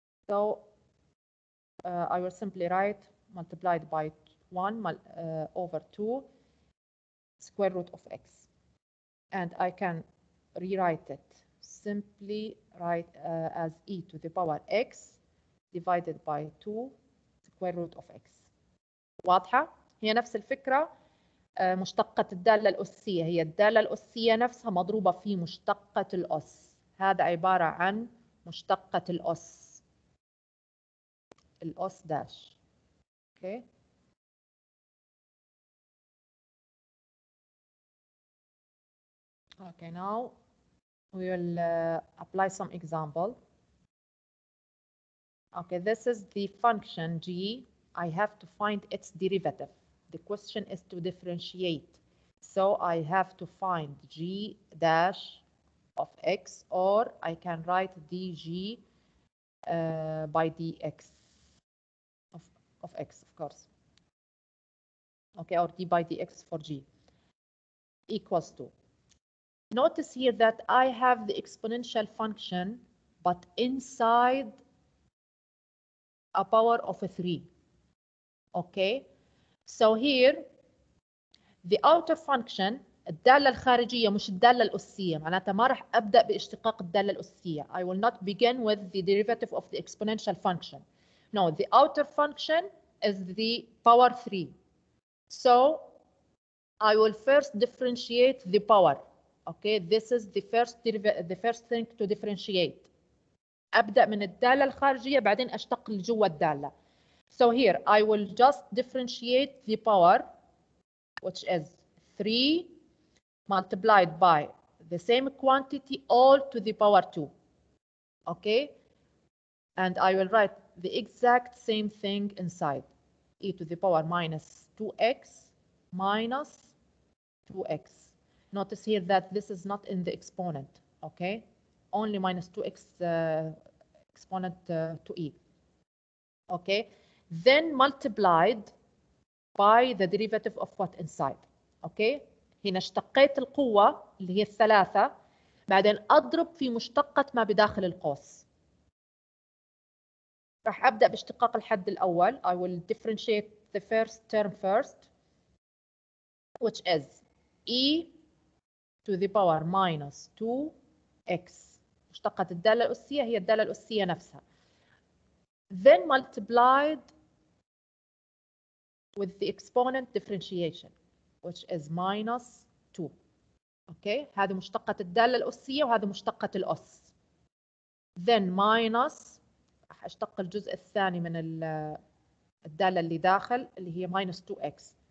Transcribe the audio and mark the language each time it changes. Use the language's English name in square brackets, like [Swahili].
[English] So I will simply write multiplied by one over two square root of x. And I can rewrite it. Simply write as e to the power x divided by 2 square root of x. [Arabic] واضحة؟ هي نفس الفكرة مشتقة الدالة الأسية، هي الدالة الأسية نفسها مضروبة في مشتقة الأس. هذا عبارة عن مشتقة الأس. الأس داش. Okay. [English] Okay, now we will apply some example. Okay, this is the function g. I have to find its derivative. The question is to differentiate. So I have to find g dash of x, or I can write dg by dx of x, of course. Okay, or d by dx for g equals to. Notice here that I have the exponential function, but inside a power of a 3. Okay, so here the outer function, [Arabic] الدالة الخارجية مش الدالة الأسية، معناتها ما راح أبدأ باشتقاق الدالة الأسية. [English] I will not begin with the derivative of the exponential function. No, the outer function is the power 3. So I will first differentiate the power. Okay, this is the first thing to differentiate. [Arabic] أبدأ من الدالة الخارجية بعدين أشتق لجوا الدالة. [English] So here I will just differentiate the power, which is 3 multiplied by the same quantity all to the power 2. Okay, and I will write the exact same thing inside. E to the power minus 2x minus 2x. Notice here that this is not in the exponent, okay? Only minus 2x exponent to e, okay? Then multiplied by the derivative of what inside, okay? [Arabic] هنا اشتقيت القوة اللي هي الثلاثة بعدين أضرب في مشتقة ما بداخل القوس. راح أبدأ باشتقاق الحد الأول. [English] I will differentiate the first term first, which is e to the power minus 2x. [Arabic] مشتقة الدالة الأسية هي الدالة الأسية نفسها. [English] Then multiplied with the exponent differentiation, which is minus 2. [Arabic] Okay, هذه مشتقة الدالة الأسية وهذه مشتقة الأس. [English] Then minus, [Arabic] أشتق الجزء الثاني من الدالة اللي داخل اللي هي [English] minus 2x.